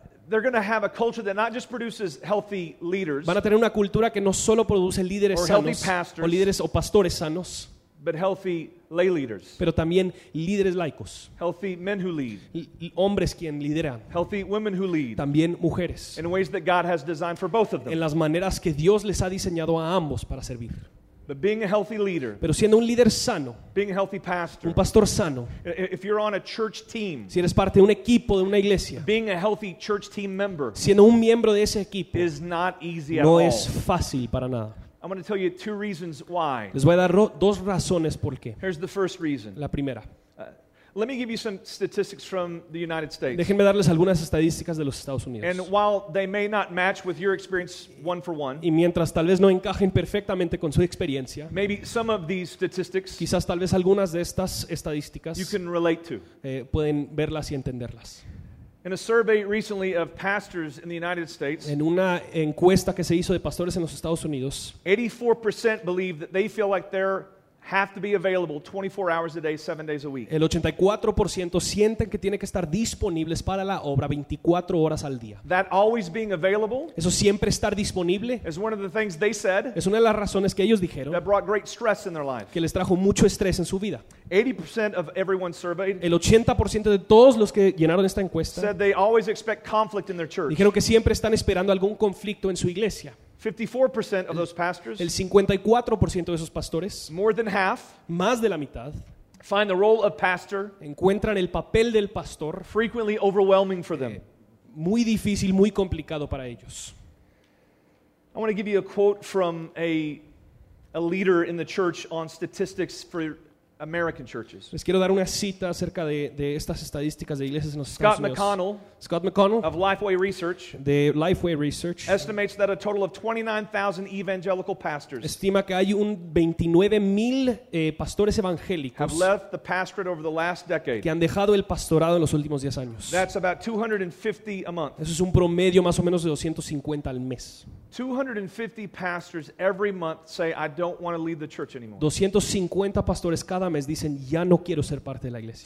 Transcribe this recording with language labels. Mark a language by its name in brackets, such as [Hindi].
[English] They're going to have a culture that not just produces healthy leaders. [Spanish] Van a tener una cultura que no solo produce líderes sanos, [English] healthy pastors, [Spanish] o líderes o pastores sanos. [English] But healthy lay leaders. [Spanish] Pero también líderes laicos. [English] Healthy men who lead. [Spanish] Hombres quien lideran. [English] Healthy women who lead. [Spanish] También mujeres. [English] In ways that God has designed for both of them. [Spanish] En las maneras que Dios les ha diseñado a ambos para servir. [English] But being a healthy leader. [Spanish] Pero siendo un líder sano. [English] Being a healthy pastor. [Spanish] Un pastor sano. [English] If you're on a church team. [Spanish] Si eres parte de un equipo de una iglesia. [English] Being a healthy church team member. [Spanish] Siendo un miembro de ese equipo. [English] Is not easy at [Spanish] No es fácil para nada. [English] I'm going to tell you two reasons why. [Spanish] Les voy a dar dos razones por qué. [English] Here's the first reason. [Spanish] La primera. [English] Let me give you some statistics from the United States. [Spanish] Déjenme darles algunas estadísticas de los Estados Unidos. [English] And while they may not match with your experience one for one. [Spanish] Y mientras tal vez no encajen perfectamente con su experiencia. [English] Maybe some of these statistics. [Spanish] Quizás tal vez algunas de estas estadísticas. [English] You can relate to. [Spanish] Pueden verlas y entenderlas. [English] In a survey recently of pastors in the United States, [Spanish] en una encuesta que se hizo de pastores en los Estados Unidos, [English] 84% believe that they feel like they have to be available 24 hours a day, 7 days a week. [Spanish] El 84% sienten que tienen que estar disponibles para la obra 24 horas al día. [English] That always being available, [Spanish] eso siempre estar disponible, [English] is one of the things they said, [Spanish] es una de las razones que ellos dijeron, [English] that brought great stress in their life, [Spanish] que les trajo mucho estrés en su vida. [English] 80% of everyone surveyed, [Spanish] el 80% de todos los que llenaron esta encuesta, [English] said they always expect conflict in their church, [Spanish] dijeron que siempre están esperando algún conflicto en su iglesia. [English] 54% of those pastors, [Spanish] el 54% de esos pastores, [English] more than half, [Spanish] más de la mitad, [English] find the role of pastor, [Spanish] encuentran el papel del pastor, [English] frequently overwhelming for them, [Spanish] muy difícil, muy complicado para ellos. [English] I want to give you a quote from a leader in the church on statistics for American churches. [Spanish] Les quiero dar una cita acerca de estas estadísticas de iglesias en los [English] Scott [Spanish] Estados Unidos. [English] McConnell, [Spanish] Scott McConnell [English] of Lifeway Research, [Spanish] de Lifeway Research [English] estimates that a total of 29,000 evangelical pastors, [Spanish] estima que hay un 29,000 pastores evangélicos, [English] have left the pastorate over the last decade, [Spanish] que han dejado el pastorado en los últimos 10 años. [English] That's about 250 a month. [Spanish] Eso es un promedio más o menos de 250 al mes. [English] 250 pastors every month say I don't want to lead the church anymore. [Spanish] 250 pastores cada mes dicen ya no quiero ser parte de la iglesia.